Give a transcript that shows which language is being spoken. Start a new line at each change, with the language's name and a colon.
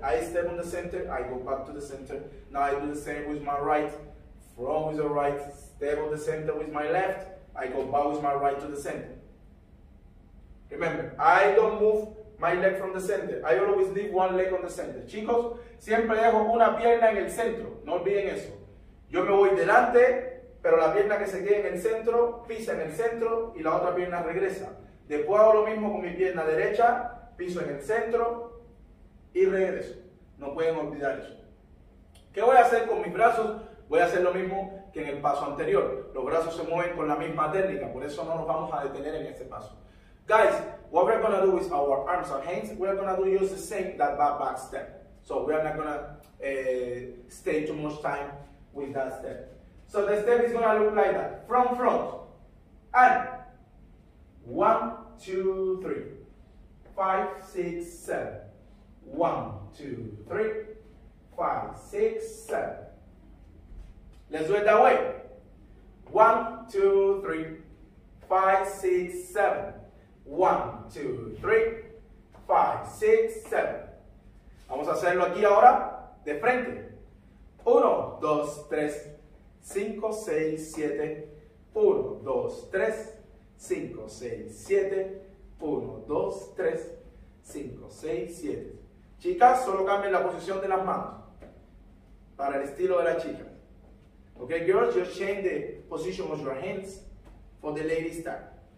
English: I step on the center, I go back to the center. Now I do the same with my right. Front with the right, step on the center with my left. I go back with my right to the center. Remember, I don't move my leg from the center. I always leave one leg on the center.
Spanish: Chicos, siempre dejo una pierna en el centro. No olviden eso. Yo me voy delante, pero la pierna que se queda en el centro, pisa en el centro y la otra pierna regresa. Después hago lo mismo con mi pierna derecha, piso en el centro y regreso. No pueden olvidar eso. ¿Qué voy a hacer con mis brazos? Voy a hacer lo mismo que en el paso anterior. Los brazos se mueven con la misma técnica, por eso no nos vamos a detener en este paso.
English: Guys, what we're going to do with our arms and hands, we're going to do just the same that back step. So we're not going to stay too much time with that step. So the step is going to look like that, front, front, and 1, 2, 3, 5, 6, 7, 1, 2, 3, 5, 6, 7, let's do it that way, 1, 2, 3, 5, 6, 7, 1, 2, 3, 5, 6, 7,
Spanish: vamos a hacerlo aquí ahora, de frente,
English: 1, 2, 3, 5, 6, 7, 1, 2, 3, 5, 6, 7. 1, 2, 3, 5, 6, 7.
Spanish: Chicas, solo cambien la posición de las manos para el estilo de la chica.
English: Ok, girls, just change the position of your hands for the lady style.